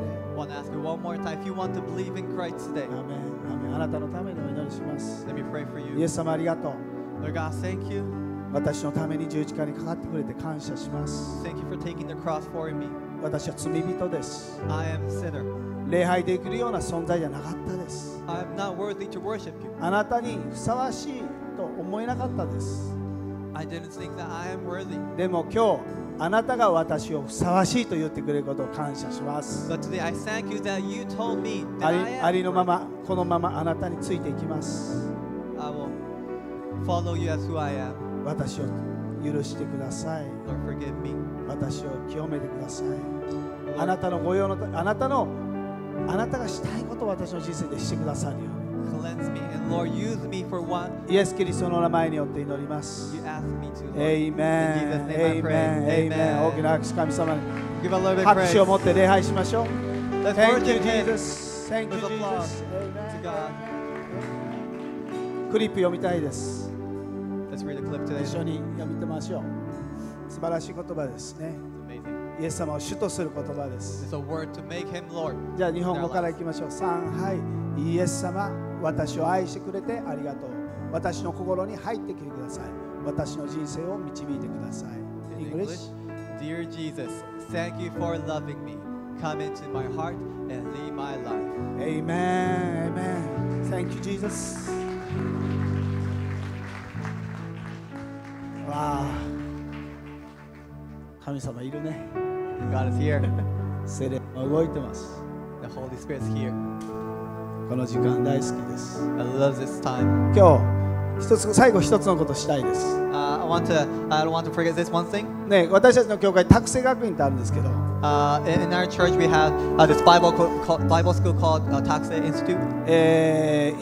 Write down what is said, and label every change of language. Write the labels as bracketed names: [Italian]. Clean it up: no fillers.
[English] I want to ask you one more time if you want to believe in Christ today. [Japanese] アメン、アメン。あなたのためにお祈りします。 [English] Let me pray for you. [Japanese] イエス様ありがとう。 [English] Lord God, thank you. [Japanese] 私のために十字架にかかってくれて感謝します。 [English] Thank you for taking the cross for me. [Japanese] 私は罪人です。 [English] I am a sinner. [Japanese] 礼拝できるような存在じゃなかったです。 [English] I am not worthy to worship you. [Japanese] あなたにふさわしいと思えなかったです。 [English] I didn't think that I am worthy. [Japanese] でも今日あなたが私をふさわしいと言ってくれることを感謝します。 [English] But today I thank you that you told me that I am worthy. [Japanese] ありのままこのままあなたについていきます。 [English] I will follow you as who I am. [Japanese] 私を許してください。 [English] Lord, forgive me. [Japanese] 私を清めてください。 Lord, あなたのご用の、あなたがしたいことを私の人生でしてくださるように。 [English] Cleanse me and Lord, use me for one. [Japanese] イエス・キリストの名前によって祈ります。 [English] You ask me to. Amen. Amen. [Japanese] Amen. 大きな拍手、神様に。 [English] Give a little bit of praise. [Japanese] 拍手を持って礼拝しましょう。 [English] Let's Thank worship you, Jesus. Him. Thank you, Jesus. Amen. To God. [Japanese] クリップ読みたいです。 [English] Let's read the clip today. [Japanese] 一緒に読みてましょう。素晴らしい言葉ですね。イエス様を主とする言葉です。 [English] It's a word to make him Lord. [Japanese] じゃあ日本語からいきましょう。三、はい。イエス様、私を愛してくれてありがとう。私の心に入ってきてください。私の人生を導いてください。 [English] In English, Dear Jesus, thank you for loving me. Come into my heart and lead my life. Amen. Amen. Thank you, Jesus. [Japanese] Wow. 神様いるね。 [English] God is here. [Japanese] 聖霊も動いてます。 [English] The Holy Spirit is here. [Japanese] この時間大好きです。 [English] I love this time. [Japanese] 今日一つ最後一つのことしたいです。 [English] I want to, I don't want to forget this one thing. [Japanese] ね、私たちの教会、託聖学院ってあるんですけど。 [English] In our church we have this Bible school called託聖 Institute.